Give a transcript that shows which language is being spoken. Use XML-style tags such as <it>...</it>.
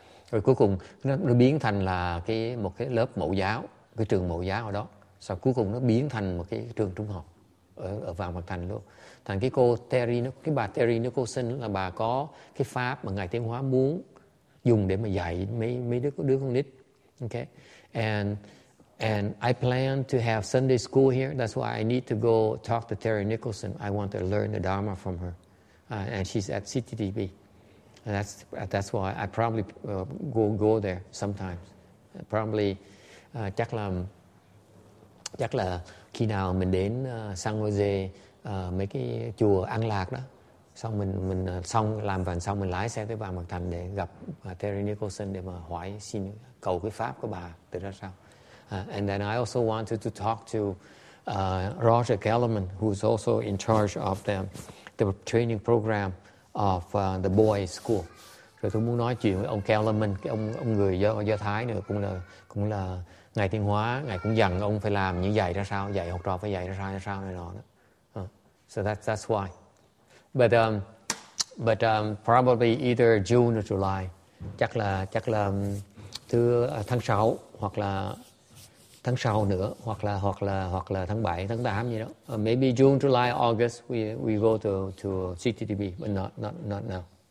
<vi>Rồi cuối cùng nó biến thành là một cái lớp mẫu giáo, cái trường mẫu giáo ở đó. Sau cuối cùng nó biến thành một cái trường trung học ở Vạn Phật Thành luôn. Thành cái cô Terry, cái bà Terry Nicholson là bà có cái pháp mà ngài Thiên Hóa muốn dùng để mà dạy mấy đứa con nít. Okay.</vi> <en>And I plan to have Sunday school here. That's why I need to go talk to Terry Nicholson. I want to learn the Dharma from her. And she's at CTTP. And that's why I probably go there sometimes.</en> <vi>Probably chắc là khi nào mình đến San Jose mấy cái chùa An Lạc đó, xong mình xong làm vần xong mình lái xe tới Vạn Phật Thành để gặp Terry Nicholson để mà hỏi xin cầu cái pháp của bà từ đó sao.</vi> <en>And then I also wanted to talk to Roger Kellerman, who's also in charge of the training program of the boys' school.</en> <vi>Rồi tôi muốn nói chuyện với ông Kellerman, cái ông người do Thái nữa, cũng là ngài Thiên Hóa, ngài cũng dặn ông phải làm như vậy ra sao, dạy học trò phải dạy ra sao như sao này nọ đó.</vi> <en>So that's why. But probably either June or July.</en> <vi>Chắc là thứ tháng 6 hoặc là tháng sau nữa hoặc là tháng 7, tháng 8 gì đó.</vi> <en>Maybe June, July, August we go to CTTB, but not now.</en>